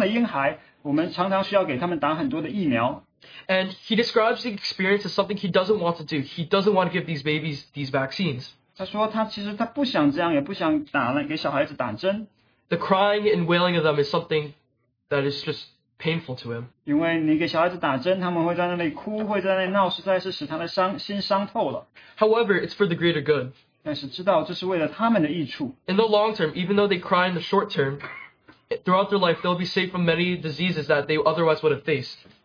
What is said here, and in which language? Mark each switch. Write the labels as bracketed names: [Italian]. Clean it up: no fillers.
[Chinese] 那就是带领我们的人，他也提到说，很多时候就是他在我们一些出生的婴孩，我们常常需要给他们打很多的疫苗。 [English] And he describes the experience as something he doesn't want to do. He doesn't want to give these babies these vaccines. [Chinese] 他说他其实他不想这样，也不想打，给小孩子打针。 [English] The crying and wailing of them is something that is just painful to him. [Chinese] 因为你给小孩子打针，他们会在那里哭，会在那里闹，实在是使他们伤心伤透了。 [English] However, it's for the greater good. [Chinese] 但是知道这是为了他们的益处。 [English] In the long term, even though they cry in the short term, throughout their life, they'll be safe from many diseases that they otherwise would have faced.